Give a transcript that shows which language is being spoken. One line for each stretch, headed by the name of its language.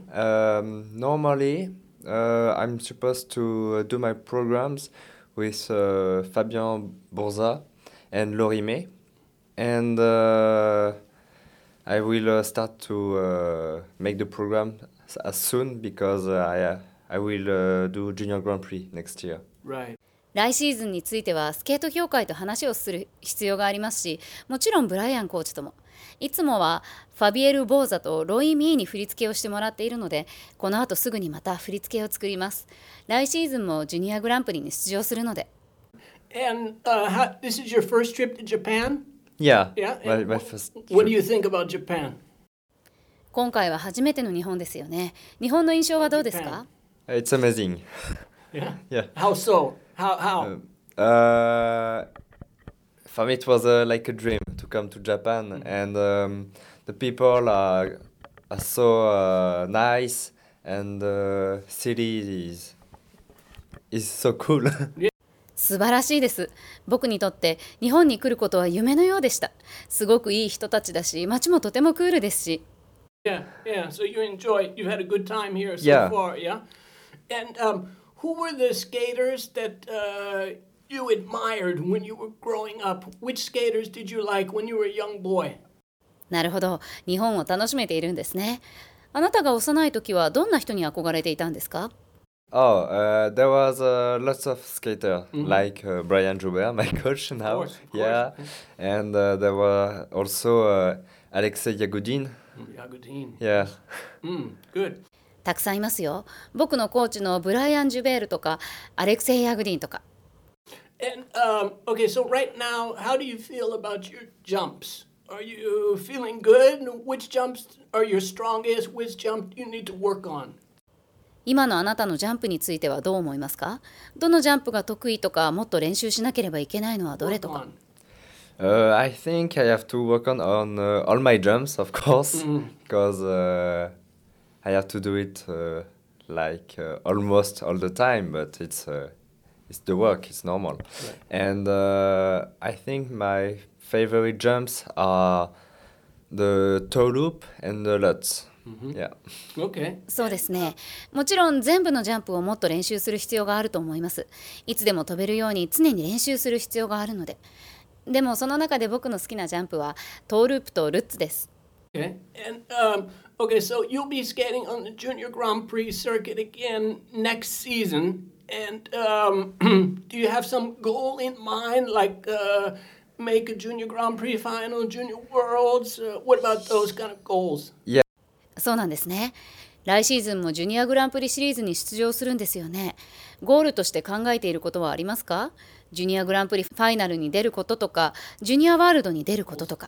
English: Normally, I'm supposed to do my programs with Fabien Bourza and Laurie May. And I will start to make the program as soon because I will do Junior Grand Prix next year. Right.
Japanese: 来シーズンについてはスケート協会と話をする必要がありますし、もちろんブライアンコーチとも。いつもはファビエル・ボーザとロイ・ミーに振り付けをしてもらっているので、この後すぐにまた振り付けを作ります。来シーズンもジュニアグランプリに出場するので。
English: And this is your first trip to Japan? Yeah. Yeah? My first trip. What do you think about Japan?
Japanese: 今回は初めての日本ですよね。日本の印象はどうですか？
English: It's amazing. Yeah? Yeah. How so? How? For me, it was like a dream to come to Japan, and the people are so nice, and the city is so cool.
Japanese: 素晴らしいです。僕にとって日本に来ることは夢のようでした。すごくいい人たちだし、街もとてもクールですし。
English: Yeah, so you had a good time here so far, yeah? And, who were the skaters that you admired when you were growing up? Which skaters did you like when you were a young boy?
Japanese: なるほど。日本を楽しめているんですね。あなたが幼い時はどんな人に憧れていたんですか？
English: Oh, there was lots of skaters, like Brian Joubert, my coach now. Of course, of course. Yeah, and there were also Alexei Yagudin. Yagudin. Yeah. Good.
Japanese: たくさんいますよ。僕のコーチのブライアン・ジュベールとか、アレクセイ・ヤグディンとか。
English: And, okay, so right now, how do you feel about your jumps? Are you feeling good? Which jumps are your strongest? Which jump do you need to work on?
Japanese: 今のあなたのジャンプについてはどう思いますか？どのジャンプが得意とか、もっと練習しなければいけないのはどれとか。
English: I think I have to work on all my jumps, of course, because... I have to do it like almost all the time, but it's the work, it's normal. Right. And I think my favorite jumps are the toe loop and the lutz. Mm-hmm. Yeah. Okay.
Japanese: そうですね。もちろん全部のジャンプをもっと練習する必要があると思います。いつでも飛べるように常に練習する必要があるので。でもその中で僕の好きなジャンプはトーループとルッツです。
English: Okay. And, okay, so you'll be skating on the Junior Grand Prix circuit again next season. And do you have some goal in mind, like make a Junior Grand Prix final, Junior Worlds? What about those kind of goals? Yeah.
Japanese: そうなんですね。来シーズンもジュニアグランプリシリーズに出場するんですよね。ゴールとして考えていることはありますか？ジュニアグランプリファイナルに出ることとか、ジュニアワールドに出ることとか。